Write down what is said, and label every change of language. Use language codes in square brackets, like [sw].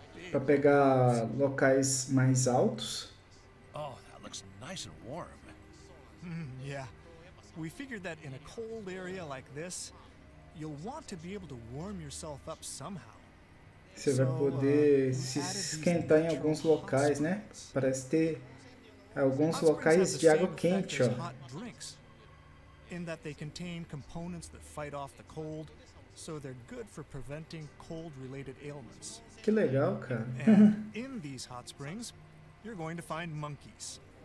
[pt] Para pegar locais mais altos. [en] Oh, that looks nice and warm. Yeah. We figured that in a cold area like this, you'll want to be able to warm yourself up somehow. [pt] Você vai poder se esquentar em alguns locais, né? Parece ter alguns locais de água quente, ó. [en] In that they contain components that fight off the cold, so they're good for preventing cold-related ailments. [pt] Que legal, cara. [en] In these hot springs, you're going to find monkeys.